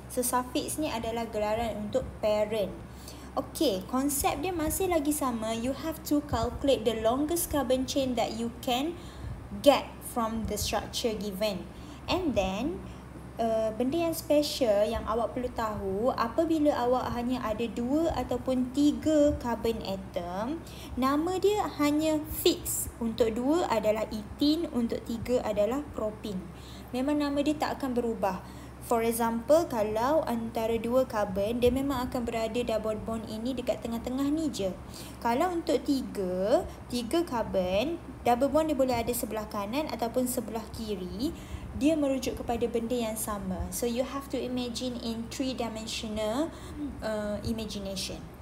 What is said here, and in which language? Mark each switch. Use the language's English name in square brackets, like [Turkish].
[Malay] So, suffix ni adalah gelaran untuk parent. Okay, konsep dia masih lagi sama. [English] You have to calculate the longest carbon chain that you can get from the structure given. And then, [Malay] benda yang special yang awak perlu tahu, apabila awak hanya ada 2 ataupun 3 carbon atom, nama dia hanya fix. Untuk 2 adalah ethene, untuk 3 adalah propene. Memang nama dia tak akan berubah. [English] For example, [Malay] kalau antara 2 carbon, dia memang akan berada double bond ini dekat tengah-tengah ni je. Kalau untuk 3 carbon, double bond dia boleh ada sebelah kanan ataupun sebelah kiri. Dia merujuk kepada benda yang sama. [English] So, you have to imagine in 3-dimensional imagination.